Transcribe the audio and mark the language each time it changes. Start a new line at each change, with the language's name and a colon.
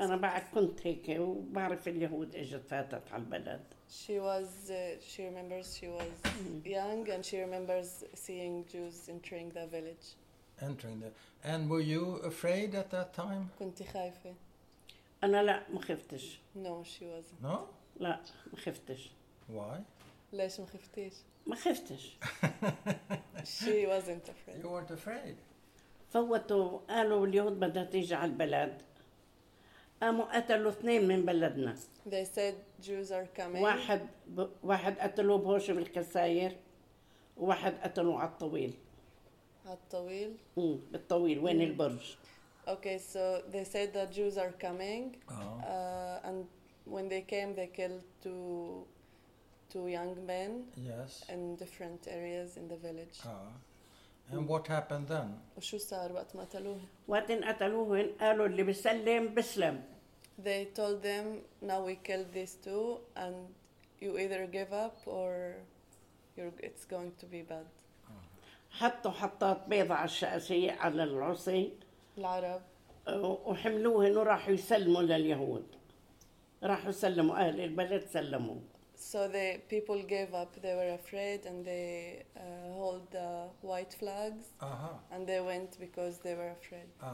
Arabic: انا بعد كنت هيك وبعرف اليهود اجت فاتت على البلد.
English: She was, she remembers she was young and she remembers seeing Jews entering the village. Entering the. And were you afraid at that time?
Arabic: كنت خايفة. انا لا ما خفتش.
English: No, she wasn't. No?
Arabic: لا ما خفتش.
English: Why?
Arabic: ليش ما خفتيش؟ ما خفتش.
English: She wasn't afraid. You weren't afraid.
Arabic: فوتوا قالوا اليهود بدها تيجي على البلد. قاموا قتلوا اثنين من بلدنا.
English: They said Jews are coming.
Arabic: واحد قتلوه بهوش بالكساير وواحد قتلوه على الطويل. على الطويل؟ بالطويل وين البرج.
English: Okay, so they said that Jews are coming. And when they came, they killed two young men yes. in different areas in the village. And what happened then?
Arabic: وشو صار وقت ما قتلوه؟ وقت ان قتلوه قالوا اللي بيسلم بيسلم.
English: They told them, now we killed these two and you either give up or it's going to be bad.
Arabic: حطوا حطات بيضة على الشاسية على العصي. العرب. وحملوهن وراحوا يسلموا لليهود. راحوا سلموا أهل البلد سلموا.
English: So the people gave up. They were afraid, and they hold the white flags, and they went because they were afraid.